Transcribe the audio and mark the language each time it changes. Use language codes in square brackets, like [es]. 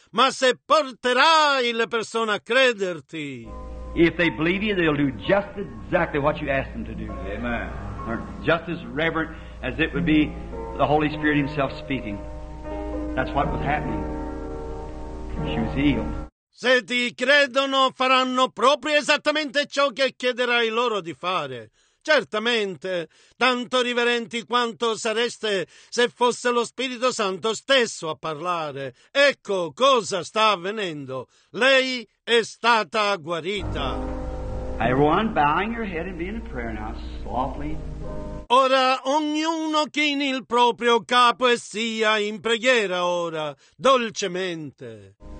[it] Ma se porterai le persone a crederti. [en] If they believe you, they'll do just exactly what you ask them to do. Amen. They're just as reverent as it would be the Holy Spirit himself speaking. That's what was happening. She was healed. [it] Se ti credono, faranno proprio esattamente ciò che chiederai loro di fare. Certamente, tanto riverenti quanto sareste se fosse lo Spirito Santo stesso a parlare. Ecco cosa sta avvenendo. Lei è stata guarita. [en] Everyone bowing your head and being in prayer now, softly. [it] Ora ognuno chini il proprio capo e sia in preghiera ora, dolcemente.